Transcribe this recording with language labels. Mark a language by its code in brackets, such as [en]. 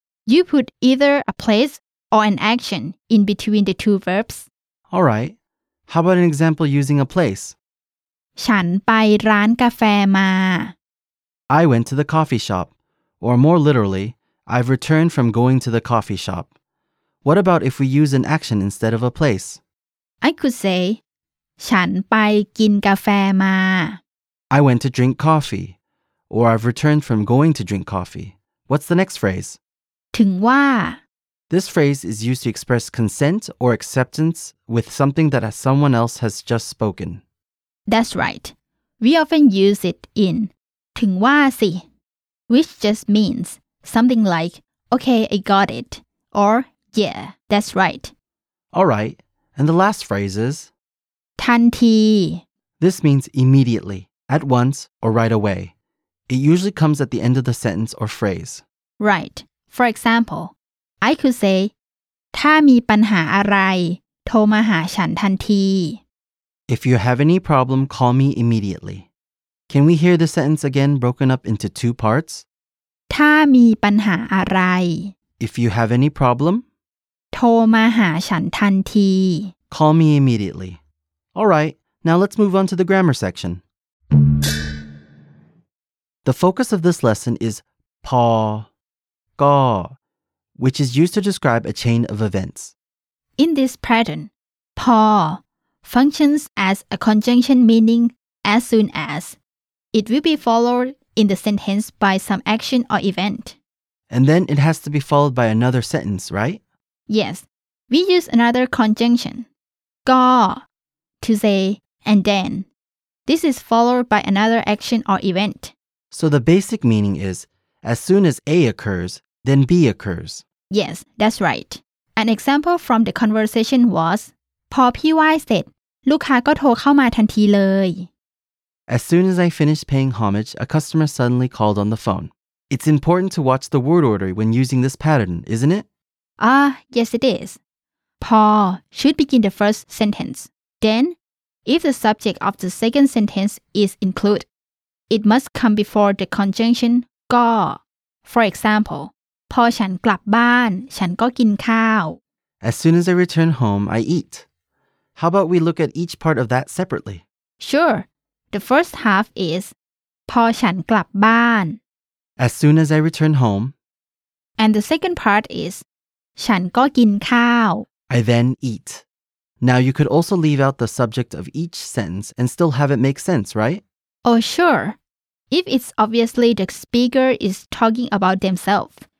[en] You put either a place or an action in between the two verbs. All right. How about an example using a place? [th] ฉันไปร้านกาแฟมา [en] I went to the coffee shop. Or more literally, I've returned from going to the coffee shop. What about if we use an action instead of a place? I could say, [th] ฉันไปกินกาแฟมา [en] I went to drink coffee. Or I've returned from going to drink coffee. What's the next phrase? [th] ถึงว่า [en] This phrase is used to express consent or acceptance with something that someone else has just spoken. That's right. We often use it in [th] ถึงว่าสิ [en] which just means something like, okay, I got it, or yeah, that's right. All right. And the last phrase is [th] ทันที [en] This means immediately, at once, or right away. It usually comes at the end of the sentence or phrase. Right. For example,I could say, [th] ถ้ามีปัญหาอะไรโทรมาหาฉันทันที [en] If you have any problem, call me immediately. Can we hear the sentence again broken up into two parts? [th] ถ้ามีปัญหาอะไร [en] If you have any problem, [th] โทรมาหาฉันทันที [en] Call me immediately. All right, now let's move on to the grammar section. The focus of this lesson is ก็which is used to describe a chain of events. In this pattern, พอ functions as a conjunction meaning as soon as. It will be followed in the sentence by some action or event. And then it has to be followed by another sentence, right? Yes, we use another conjunction, ก to say and then. This is followed by another action or event. So the basic meaning is, as soon as A occurs, then B occurs. Yes, that's right. An example from the conversation was [th] พอพี่ว่ายเสร็จลูกค้าก็โทรเข้ามาทันทีเลย [en] As soon as I finished paying homage, a customer suddenly called on the phone. It's important to watch the word order when using this pattern, isn't it? Yes it is. พอ should begin the first sentence. Then, if the subject of the second sentence is included, it must come before the conjunction ก็ For example, [th] พอฉันกลับบ้านฉันก็กินข้าว [en] As soon as I return home, I eat. How about we look at each part of that separately? Sure. The first half is [th] พอฉันกลับบ้าน [en] As soon as I return home. And the second part is [th] ฉันก็กินข้าว [en] I then eat. Now you could also leave out the subject of each sentence and still have it make sense, right? Oh, sure. If it's obviously the speaker is talking about themselves.